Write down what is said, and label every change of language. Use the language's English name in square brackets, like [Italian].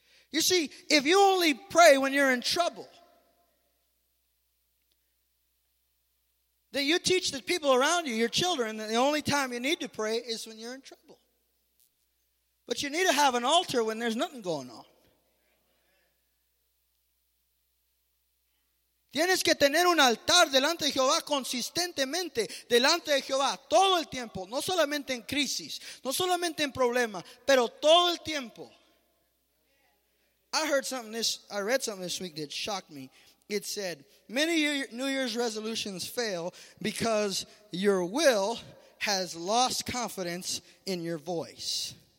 [English] You see, if you only pray when you're in trouble, then you teach the people around you, your children, that the only time you need to pray is when you're in trouble. But you need to have an altar when there's nothing going on. [Spanish] Tienes que tener un altar delante de Jehová consistentemente, delante de Jehová, todo el tiempo, no solamente en crisis, no solamente en problemas, pero todo el tiempo. [English] I read something this week that shocked me. It said, many New Year's resolutions fail because your will has lost confidence in your voice.